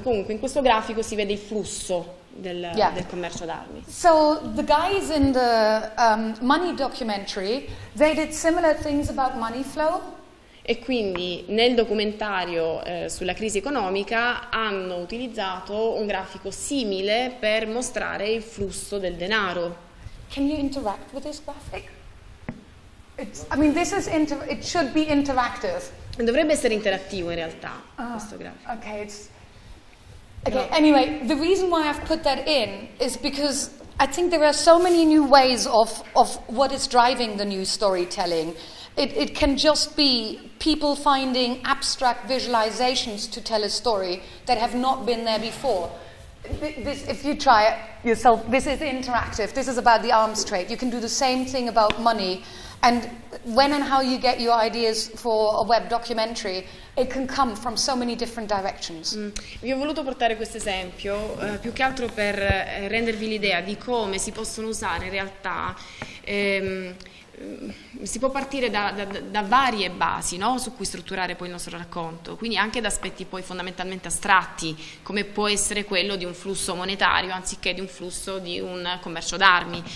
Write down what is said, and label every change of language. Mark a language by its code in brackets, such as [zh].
[it] Comunque in questo grafico si vede il flusso del commercio d'armi. [en] So the guys in the money documentary, they did similar things about money flow. [it] E quindi nel documentario sulla crisi economica hanno utilizzato un grafico simile per mostrare il flusso del denaro. [en] Can you interact with this graphic? It should be interactive. [it] Dovrebbe essere interattivo in realtà questo grafico. [en] Okay. No. Anyway, the reason why I've put that in is because I think there are so many new ways of what is driving the new storytelling. It can just be people finding abstract visualizations to tell a story that have not been there before. This, if you try it yourself, this is interactive. This is about the arms trade. You can do the same thing about money. And when and how you get your ideas for a web documentary, it can come from so many different directions. [it] Vi ho voluto portare questo esempio più che altro per rendervi l'idea di come si possono usare in realtà. Si può partire da varie basi, no? Su cui strutturare poi il nostro racconto, quindi anche da aspetti poi fondamentalmente astratti, come può essere quello di un flusso monetario anziché di un flusso di un commercio d'armi.